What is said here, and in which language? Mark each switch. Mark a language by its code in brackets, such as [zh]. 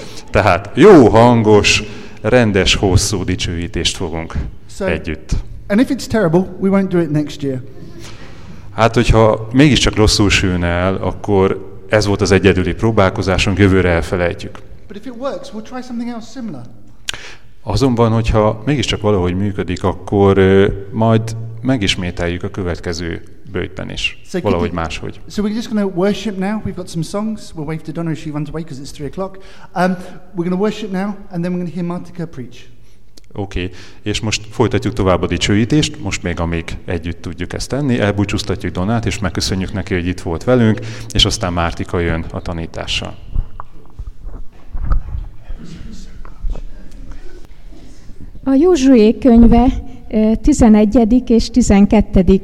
[hu] Tehát jó hangos, rendes, hosszú dicsőítést fogunk együtt. [en] And if it's terrible, we won't do it next year. [hu] Hát, hogyha mégiscsak rosszul sülne el, akkor ez volt az egyedüli próbálkozásunk, jövőre elfelejtjük. [en] But if it works, we'll try something else similar. [hu] Azonban, hogyha mégiscsak valahogy működik, akkor majd megismételjük a következő bőjten is, valahogy máshogy. [en] So we're just going to worship now. We've got some songs. We'll wave to Donna as she runs away because it's 3 o'clock. We're going to worship now, and then we're going to hear Martika preach. Okay. [hu] És most folytatjuk tovább a dicsőítést, most még amíg együtt tudjuk ezt tenni. Elbúcsúztatjuk Donát, és megköszönjük neki, hogy itt volt velünk, és aztán Martika jön a tanítással. A Józsué könyve 11. és 12.